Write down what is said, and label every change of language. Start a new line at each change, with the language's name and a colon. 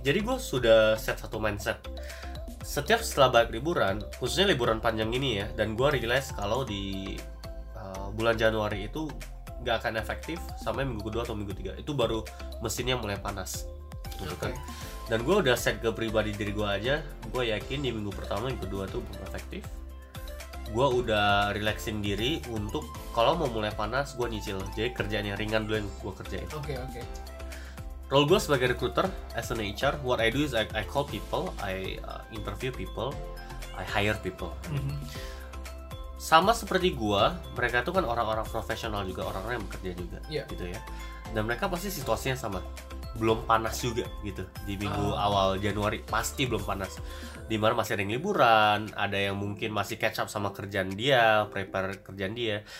Indonesian: Jadi gue sudah set satu mindset. Setiap setelah balik liburan, khususnya liburan panjang ini ya, dan gue realize kalau di bulan Januari itu gak akan efektif sampai minggu kedua atau minggu ketiga. Itu baru mesinnya mulai panas. Oke. Okay. Dan gue udah set ke pribadi diri gue aja. Gue yakin di minggu pertama, minggu kedua tuh belum efektif. Gue udah relaxin diri untuk kalau mau mulai panas, gue nyicil. Jadi kerjaan yang ringan dulu yang gue kerjain. Oke.
English: Role
Indonesian: gue sebagai
English: recruiter, as an HR, what I do is I call people, I interview people, I hire people.
Indonesian: Sama seperti gue, mereka tuh kan orang-orang profesional juga, orang-orang yang bekerja juga, gitu ya. Dan mereka pasti situasinya sama. Belum panas juga gitu di minggu awal Januari, pasti belum panas. Di mana masih ada yang liburan, ada yang mungkin masih catch up sama kerjaan dia, prepare kerjaan dia.